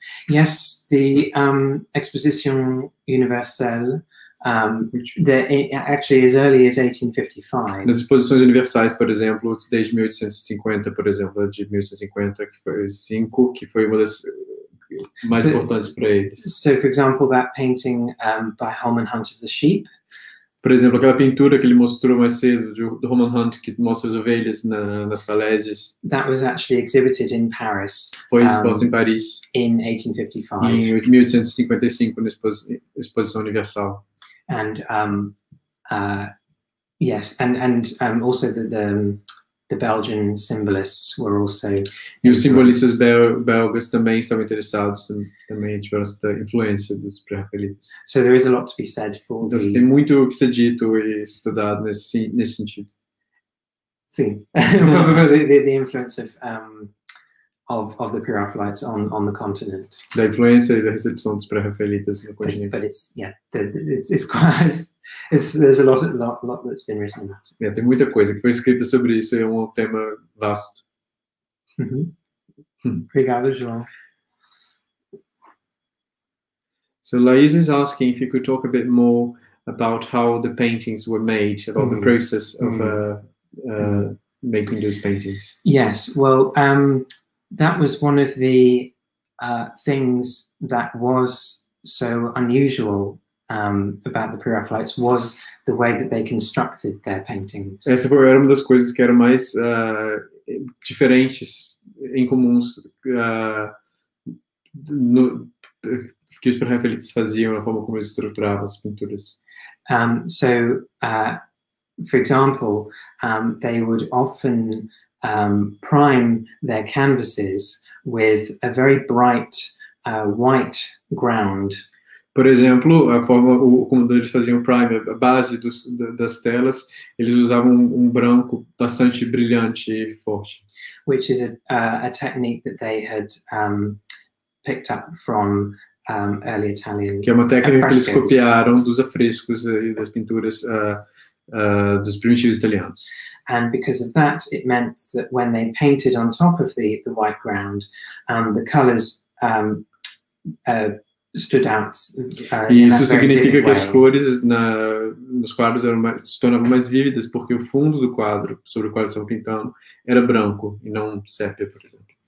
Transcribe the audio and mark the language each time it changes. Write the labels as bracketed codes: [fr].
[en] Yes, the Exposition Universelle, actually as early as 1855. [pt] Nas exposições universais, por exemplo, desde 1850, por exemplo, de 1850, que foi uma das mais importantes para eles. [en] So, for example, that painting by Holman Hunt of the Sheep. [pt] Por exemplo, aquela pintura que ele mostrou mais cedo do Holman Hunt, que mostra as ovelhas nas falésias. [en] That was actually exhibited in Paris. [pt] Foi exposto em Paris. [en] In 1855. [pt] Em 1855, na Exposição Universal. [en] And yes, and also the Belgian symbolists were also. [pt] E os simbolistas belgas também estavam interessados, também tiveram essa influência dos pré-raphaelites. [en] So there is a lot to be said for. [pt] Então, tem muito que ser dito e estudado nesse sentido. Sim, [en] the influence of the Pre-Raphaelites on the continent. [pt] Da influência e da recepção dos pré-raphaelites no continente. [en] But it's, it's quite, there's a lot that's been written about. [pt] Yeah, tem muita coisa que foi escrita sobre isso e é um tema vasto. Obrigado, João. [en] So Laís is asking if you could talk a bit more about how the paintings were made, about the process of making those paintings. Yes, well, that was one of the things that was so unusual about the Pre-Raphaelites was the way that they constructed their paintings. [pt] Essa foi uma das coisas que eram mais diferentes, incomuns, que os Pre-Raphaelites faziam, a forma como eles estruturavam as pinturas. [en] For example, they would often prime their canvases with a very bright white ground. [pt] Por exemplo, a forma como eles faziam o prime, a base das telas, eles usavam um branco bastante brilhante e forte. [en] Which is a technique that they had picked up from early Italian. [pt] Que é uma técnica que eles copiaram dos afrescos e das pinturas dos primitivos italianos. [en] And because of that, it meant that when they painted on top of the white ground, the colors stood out. [pt] E isso significa que as cores nos quadros se tornavam mais vívidas porque o fundo do quadro sobre o qual eles estavam pintando era branco e não sépia, por exemplo.